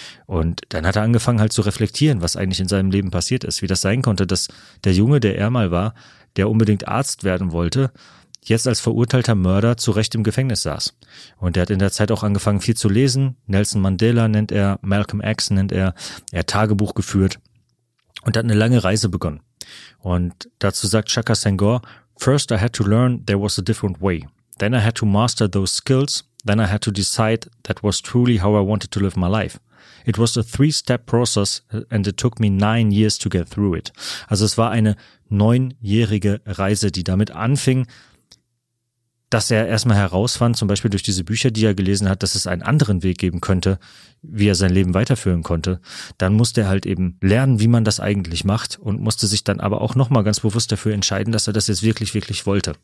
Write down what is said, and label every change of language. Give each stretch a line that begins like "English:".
German: Und dann hat er angefangen halt zu reflektieren, was eigentlich in seinem Leben passiert ist, wie das sein konnte, dass der Junge, der er mal war, der unbedingt Arzt werden wollte, jetzt als verurteilter Mörder zu Recht im Gefängnis saß. Und er hat in der Zeit auch angefangen viel zu lesen. Nelson Mandela nennt er, Malcolm X nennt er. Er hat Tagebuch geführt und hat eine lange Reise begonnen. Und dazu sagt
English: Shaka Sengor, First I had to learn there was a different way. Then I had to master those skills. Then I had to decide that was truly how I wanted to live my life. It was a 3-step process and it took me 9 years to get through it.
German: Also es war eine 9-jährige Reise, die damit anfing, dass er erstmal herausfand, zum Beispiel durch diese Bücher, die er gelesen hat, dass es einen anderen Weg geben könnte, wie er sein Leben weiterführen konnte. Dann musste er halt eben lernen, wie man das eigentlich macht und musste sich dann aber auch nochmal ganz bewusst dafür entscheiden, dass er das jetzt wirklich, wirklich wollte.